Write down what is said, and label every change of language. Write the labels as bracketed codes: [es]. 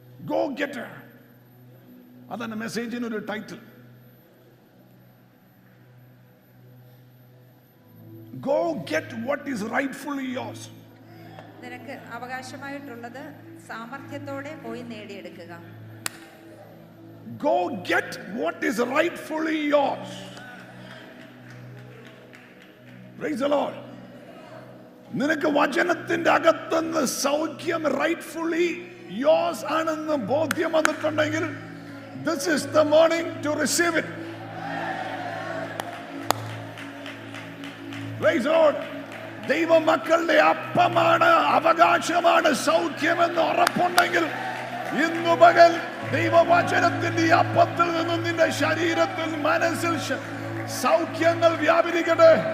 [ml] Go-getter. അതാണ് മെസ്സേജിനൊരു title. [en] Go get what is rightfully yours. [ml] നിനക്ക് അവകാശമായിട്ടുള്ളത് സാമർത്ഥ്യത്തോടെ പോയി നേടിയെടുക്കുക. [en] Go get what is rightfully yours. Praise the Lord. [ml] നിനക്ക് വചനത്തിന്റെ അകത്തുനിന്ന് സൗഖ്യം [en] rightfully yours [ml] ആണെന്ന് ബോധ്യം വന്നിട്ടുണ്ടെങ്കിൽ [en] This is the morning to receive it. Praise Lord. [ml] ദൈവമക്കളുടെ അപ്പമാണ്, അവകാശമാണ് സൗഖ്യം എന്ന് ഉറപ്പുണ്ടെങ്കിൽ ഇന്നു പകൽ ദൈവവചനത്തിന്റെ അപ്പത്തിൽ നിന്നും നിന്റെ ശരീരത്തിൽ മനസ്സിൽ സൗഖ്യങ്ങൾ വ്യാപരിക്കട്ടെ.